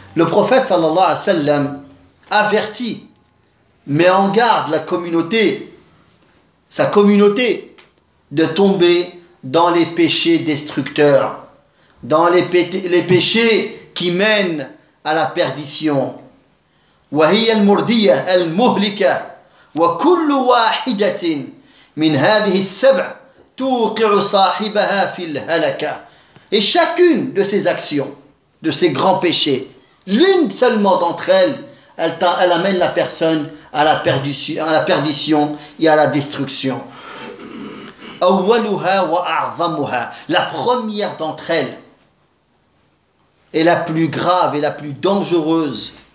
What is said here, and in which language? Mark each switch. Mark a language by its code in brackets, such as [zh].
[fr] Le prophète [ar] sallallahu alayhi wa sallam [fr] avertit, mais en garde la communauté, sa communauté, de tomber dans les péchés destructeurs, dans les péchés qui mènent à la perdition. [ar] وهي المرضية المهلكة وكل واحدة من هذه السبع توقع صاحبها في الهلكة. [fr] Et chacune de ces actions, de ces grands péchés, l'une seulement d'entre elles, elle amène la personne à la perdition, et à la destruction. [ar] أولها وأعظمها, [fr] la première d'entre elles est la plus grave et la plus dangereuse.